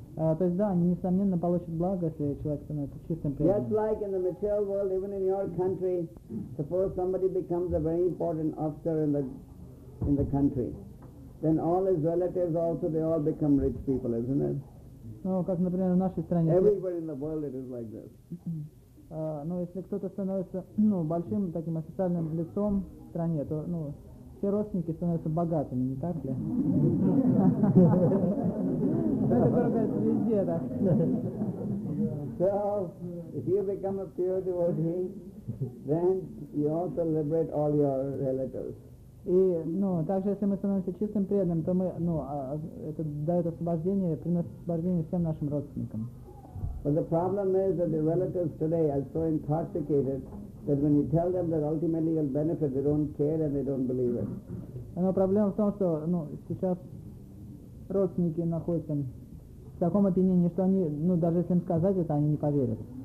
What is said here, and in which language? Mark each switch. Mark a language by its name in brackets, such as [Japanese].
[Russian] То есть да, они несомненно получат благо, если человек становится чистым преданным. [English] Just like in the material world, even in your country, suppose somebody becomes a very important officer in the country, then all his relatives also, they all become rich people, isn't it? [Russian] Ну, как, например, в нашей стране. [English] Everybody in the world it is like this. [Russian] Ну, если кто-то становится, ну, большим таким официальным лицом в стране, то, ну, все родственники становятся богатыми, не так ли? Это происходит везде, да. [English] So, if you become a pure devotee, then you also liberate all your relatives. [Russian] И, ну, также, если мы становимся чистым преданным, то мы, ну, это дает освобождение, приносит освобождение всем нашим родственникам. [English] But the problem is that the relatives today are so intoxicated that when you tell them that ultimately you'll benefit, they don't care and they don't believe it. [Russian] Но проблема в том, что, ну, сейчас родственники находятся в таком опьянении, что они, ну, даже если им сказать это, они не поверят.